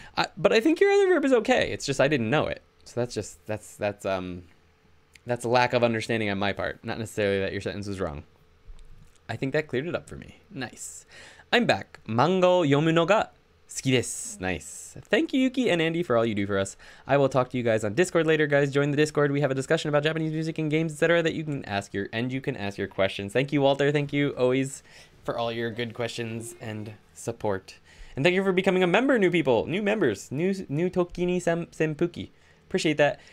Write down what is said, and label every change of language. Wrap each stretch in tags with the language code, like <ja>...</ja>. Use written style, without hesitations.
<en>But I think your other verb is okay. It's just I didn't know it. So that's just, that's a lack of understanding on my part. Not necessarily that your sentence was wrong. I think that cleared it up for me. Nice. I'm back.</en> <ja>漫画を読むのが好きです。</ja> <en>Nice. Thank you, Yuki and Andy, for all you do for us. I will talk to you guys on Discord later, guys. Join the Discord. We have a discussion about Japanese music and games, etc. that you can ask your, and you can ask your questions. Thank you, Walter. Thank you always for all your good questions and support. And thank you for becoming a member, new people. New members. New ToKini Senpuki. Appreciate that.</en>